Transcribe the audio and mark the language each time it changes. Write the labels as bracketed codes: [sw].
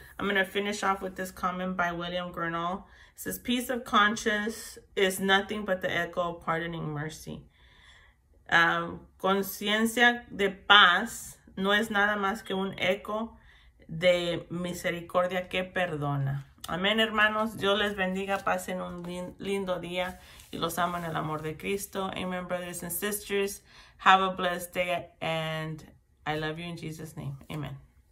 [en] I'm going to finish off with this comment by William Gurnall. It says, peace of conscience is nothing but the echo of pardoning mercy. [es] Conciencia de paz no es nada más que un eco de misericordia que perdona. Amén, hermanos. Dios les bendiga. Pasen un lindo día. Y los amo en el amor de Cristo. [en] Amen, brothers and sisters. Have a blessed day. And I love you in Jesus' name. Amen.